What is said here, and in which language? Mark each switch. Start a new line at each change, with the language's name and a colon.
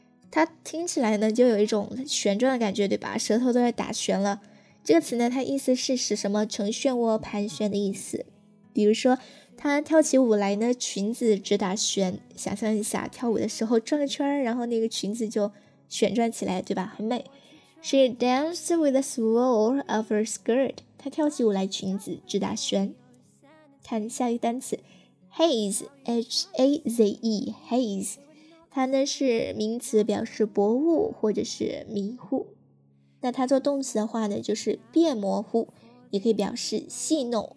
Chinese: 它听起来呢，就有一种旋转的感觉，对吧？舌头都在打旋了。这个词呢，它意思是使什么呈漩涡盘旋的意思。比如说，她跳起舞来呢，裙子直打旋。想象一下，跳舞的时候转个圈，然后那个裙子就旋转起来，对吧？很美。
English: She danced with the swirl of her skirt.
Chinese: 她跳起舞来，裙子直打旋。看下一个单词 ，haze, h-a-z-e, haze. 它呢是名词，表示薄雾或者是迷糊。那它做动词的话呢，就是变模糊，也可以表示戏弄。